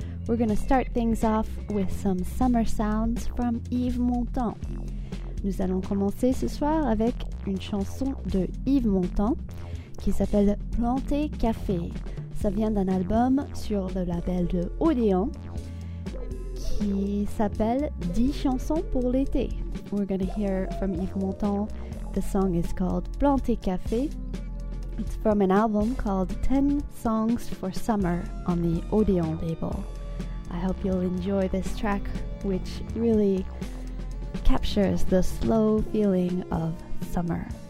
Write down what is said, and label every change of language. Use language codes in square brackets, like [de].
[en] We're going to start things off with some summer sounds from Yves Montand. [fr] Nous allons commencer ce soir avec une chanson de Yves Montand qui s'appelle Planté Café. Ça vient d'un album sur le label de Odéon qui s'appelle 10 chansons pour l'été. [en] We're going to hear from Yves Montand. The song is called Planté Café. It's from an album called 10 Songs for Summer on the Odéon label. I hope you'll enjoy this track, which really captures the slow feeling of summer.